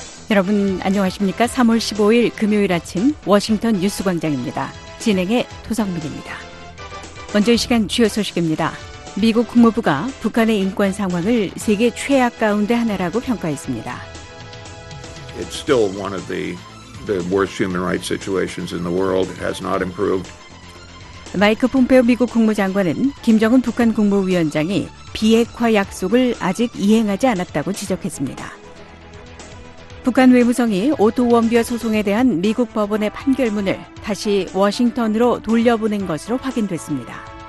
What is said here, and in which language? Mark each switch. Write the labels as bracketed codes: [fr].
[ko] 여러분 안녕하십니까? 3월 15일 금요일 아침 워싱턴 뉴스 광장입니다. 진행의 도성민입니다. 먼저 이 시간 주요 소식입니다. 미국 국무부가 북한의 인권 상황을 세계 최악 가운데 하나라고 평가했습니다. [en] It's still one of the worst human rights situations in the world. It has not improved. [ko] 마이크 폼페오 미국 국무장관은 김정은 북한 국무위원장이 비핵화 약속을 아직 이행하지 않았다고 지적했습니다. 북한 외무성이 오토 원비어 소송에 대한 미국 법원의 판결문을 다시 워싱턴으로 돌려보낸 것으로 확인됐습니다.